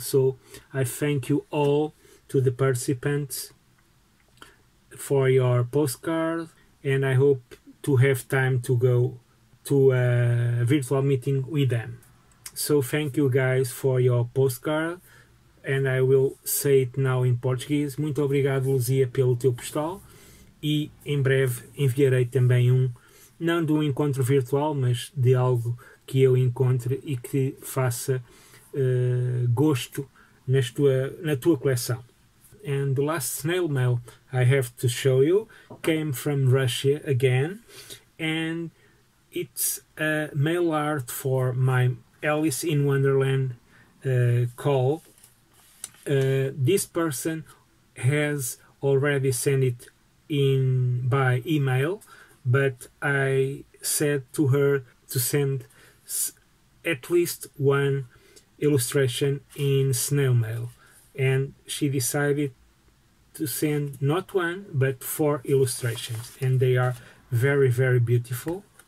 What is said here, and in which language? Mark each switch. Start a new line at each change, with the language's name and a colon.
English: So I thank you all to the participants for your postcard, and I hope to have time to go to a virtual meeting with them. So thank you guys for your postcard. and I will say it now in Portuguese.
Portuguese: Muito obrigado, Luzia, pelo teu postal. E em breve enviarei também um, não de um encontro virtual, mas de algo que eu encontre e que faça gosto na tua coleção.
English: And the last snail mail I have to show you came from Russia again. And it's a mail art for my Alice in Wonderland call. This person has already sent it in by email, but I said to her to send at least one illustration in snail mail, and she decided to send not one but four illustrations, and they are very, very beautiful.